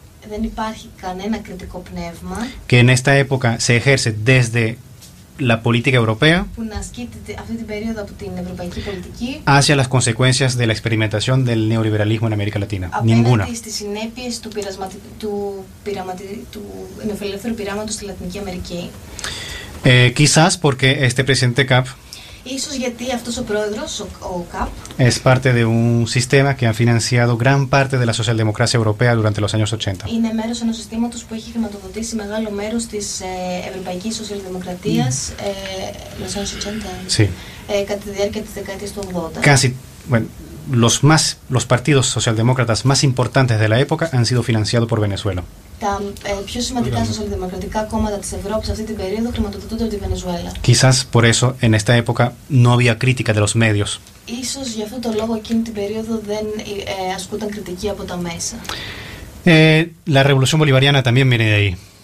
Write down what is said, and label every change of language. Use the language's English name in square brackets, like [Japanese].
[Greek] Δεν υπάρχει κανένα κριτικό πνεύμα. [Spanish] Que en esta época se ejerce desde la política europea, [Greek] που να ασκείται αυτή την περίοδο από την ευρωπαϊκή πολιτική, [Spanish] hacia las consecuencias de la experimentación del neoliberalismo en América Latina. [Greek] Απέναντι [Spanish] ninguna. [Greek] Στις συνέπειες του νεοφιλελεύθερου πειράματος στη Λατινική Αμερική. [Spanish] Quizás porque este presidente CAP. [Greek] Ίσως γιατί αυτός ο πρόεδρος, ο CAP, [Spanish] es parte de un sistema que ha financiado gran parte de la socialdemocracia europea durante los años 80. [Greek] Είναι μέρος ενός συστήματος που έχει χρηματοδοτήσει μεγάλο μέρος της ευρωπαϊκής σοσιαλδημοκρατίας [Spanish] los años 80. Sí. [Greek] Κατά τη διάρκεια της δεκαετίας του 80. [Spanish] Casi, bueno, los partidos socialdemócratas más importantes de la época han sido financiados por Venezuela. [Greek] Τα πιο σημαντικά σοσιαλδημοκρατικά κόμματα της Ευρώπης αυτή την περίοδο χρηματοδοτούνται από τη Βενεζουέλα. [Spanish] Quizás por eso en esta época no había crítica de los medios. [Greek] Ίσως γι' αυτό το λόγο εκείνη την περίοδο δεν ασκούνταν κριτική από τα μέσα. [Spanish] La revolución bolivariana también viene de ahí.